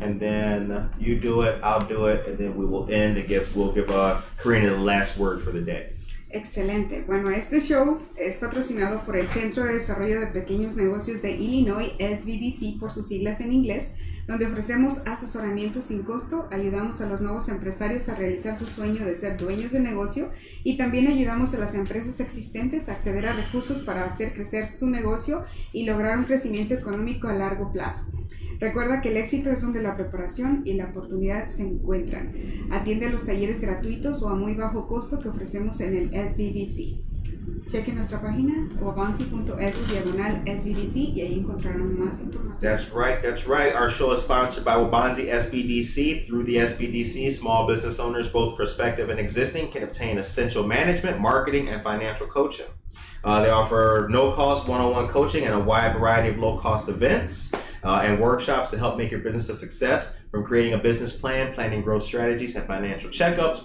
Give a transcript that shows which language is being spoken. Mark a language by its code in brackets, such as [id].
[en] And then you do it, I'll do it, and then we will end and we'll give Karina the last word for the day. [es] Excelente. Bueno, este show es patrocinado por el Centro de Desarrollo de Pequeños Negocios de Illinois, SBDC, por sus siglas en inglés, donde ofrecemos asesoramiento sin costo, ayudamos a los nuevos empresarios a realizar su sueño de ser dueños de negocio y también ayudamos a las empresas existentes a acceder a recursos para hacer crecer su negocio y lograr un crecimiento económico a largo plazo. Recuerda que el éxito es donde la preparación y la oportunidad se encuentran. Atiende a los talleres gratuitos o a muy bajo costo que ofrecemos en el SBDC. Cheque nuestra página o wabonzi.edu/SBDC y ahí encontrarán más información. [en] That's right, that's right. Our show is sponsored by Wabonzi SBDC. Through the SBDC, small business owners, both prospective and existing, can obtain essential management, marketing, and financial coaching. They offer no-cost one-on-one coaching and a wide variety of low-cost events and workshops to help make your business a success, from creating a business plan, planning growth strategies, and financial checkups.